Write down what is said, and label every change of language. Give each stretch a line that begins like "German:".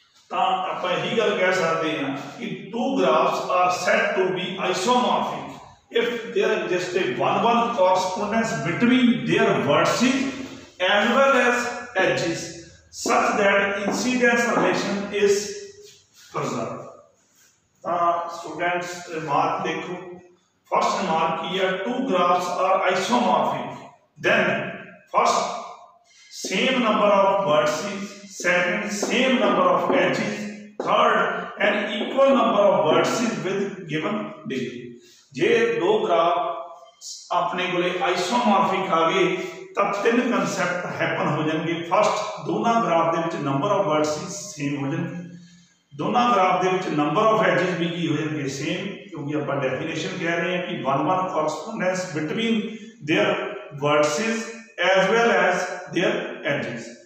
Punjabi: ਤਾਂ ਆਪਾਂ ਇਹੀ ਗੱਲ ਕਹਿ ਸਕਦੇ ਹਾਂ ਕਿ
English: Two graphs are said to be isomorphic if there exist a one one correspondence between their vertices as well as edges such that incidence relation is preserved. Now, students, remark, dekho. First remark here, two graphs are isomorphic. Then, first, same number of vertices, second, same number of edges, third, an equal number of vertices with given degree.
Punjabi: Je do graphs apne kole isomorphic aage, ਤਾਂ ਤਿੰਨ concept happen ਹੋ ਜਾਣਗੇ। First, ਦੋਨਾਂ graph ਦੇ ਵਿੱਚ number of ਵਰਡਸੀ same ਹੋ ਜਾਣਗੇ, ਦੋਨਾਂ ਗ੍ਰਾਫ ਦੇ ਵਿੱਚ ਨੰਬਰ ਆਫ ਐਜਿਸ ਵੀ ਕੀ ਹੋ ਜਾਣਗੇ ਸੇਮ, ਕਿਉਂਕਿ ਆਪਾਂ ਡੈਫੀਨੇਸ਼ਨ ਕਹਿ ਰਹੇ ਹਾਂ ਕਿ
English: One one correspondence between their vertices as well as their edges.